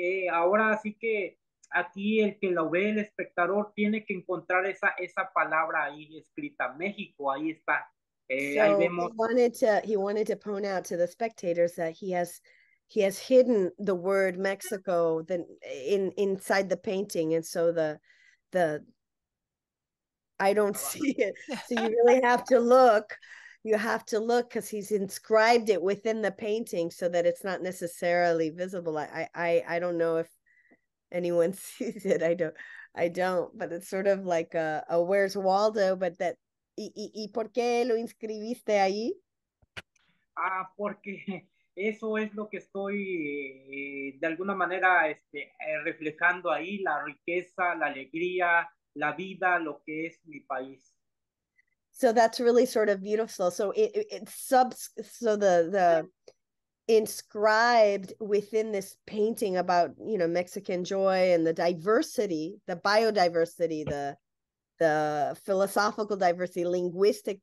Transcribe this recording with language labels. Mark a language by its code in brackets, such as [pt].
[es] Ahora sí que aquí el que lo ve, el espectador, tiene que encontrar esa palabra ahí escrita, México, ahí está. [en] So [es] ahí vemos. [en] He wanted to point out to the spectators that he has hidden the word Mexico inside the painting, and so the I don't see it. So you really have to look. You have to look because he's inscribed it within the painting so that it's not necessarily visible. I don't know if anyone sees it. I don't, but it's sort of like a Where's Waldo, but that. [es] ¿Y por qué lo inscribiste ahí? Ah, porque eso es lo que estoy de alguna manera reflejando ahí, la riqueza, la alegría, la vida, lo que es mi país. [en] So that's really sort of beautiful. So it's inscribed within this painting about, you know, Mexican joy and the diversity, the biodiversity, the philosophical diversity, linguistic.